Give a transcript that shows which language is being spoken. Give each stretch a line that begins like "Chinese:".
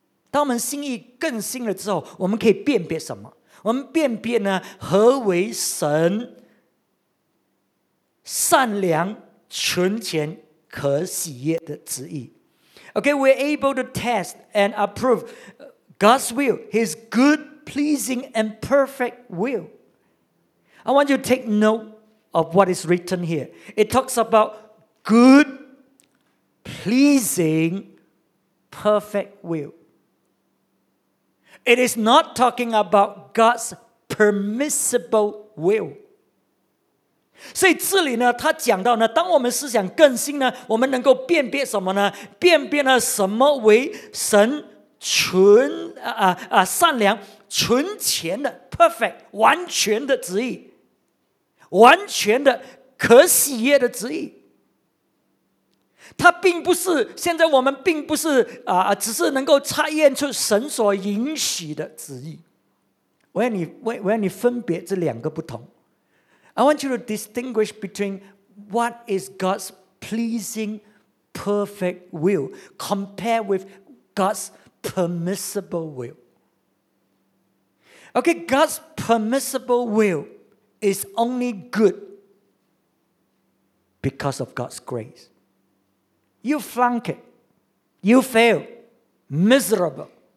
Chinese: 当我们心意更新了之后，我们可以辨别什么？我们辨别呢？何为神善良、纯全可喜悦的旨意。
English: Okay, we're able to test and approve God's will, His good, pleasing, and perfect will. I want you to take note of what is written here. It talks about good, pleasing, perfect will. It is not talking about God's permissible will.
Chinese: 所以这里呢，他讲到呢，当我们思想更新呢，我们能够辨别什么呢？辨别呢什么为神纯善良、纯全的 perfect 完全的旨意，完全的可喜悦的旨意。他并不是现在我们并不是只是能够察验出神所允许的旨意。我要你分别这两个不同。
English: I want you to distinguish between what is God's pleasing, perfect will compared with God's permissible will. Okay, God's permissible will is only good because of God's grace. You flunk it. You fail. Miserable.